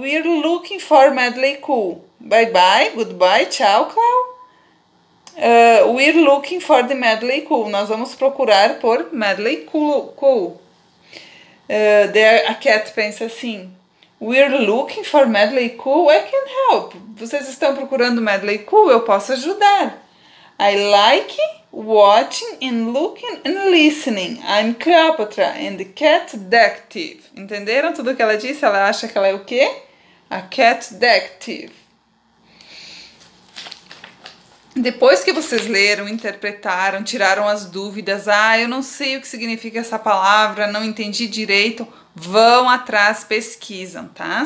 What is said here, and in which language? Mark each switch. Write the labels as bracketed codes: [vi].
[en] We're looking for Madly Cool. Bye bye, goodbye, tchau, Cleo. We're looking for the Madly Cool. [pt] Nós vamos procurar por Madly Cool. A Cat pensa assim: [en] We're looking for Madly Cool. I can help. [pt] Vocês estão procurando Madly Cool? Eu posso ajudar. [en] I like watching and looking and listening. I'm Cleopatra and the cat detective. [pt] Entenderam tudo o que ela disse? Ela acha que ela é o quê? [en] A cat detective. [pt] Depois que vocês leram, interpretaram, tiraram as dúvidas, ah, eu não sei o que significa essa palavra, não entendi direito, vão atrás, pesquisam, tá?